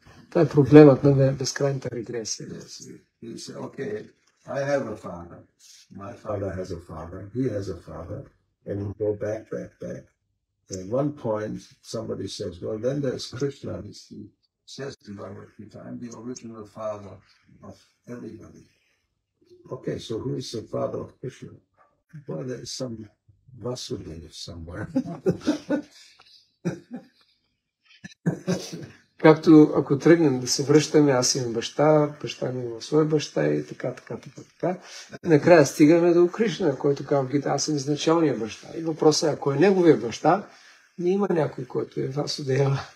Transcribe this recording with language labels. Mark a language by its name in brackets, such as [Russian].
[Bulgarian] Това е проблемът на безкрайната регресия. [English] Yes, you say, okay, I have a father, my father has a father, he has a father. And you go back. At one point, somebody says, well, then there's Krishna. He says to Bhagavad Gita, I'm the original father of everybody. Okay, so who is the father of Krishna? Well, there is some Vasudev somewhere. [Bulgarian] Както ако тръгнем да се връщаме, аз имам баща, баща ми има своя баща и така. Накрая стигаме до Кришна, който казва в Гита, аз съм изначалния баща. И въпросът е, ако е неговия баща, не има някой, който е Васудева.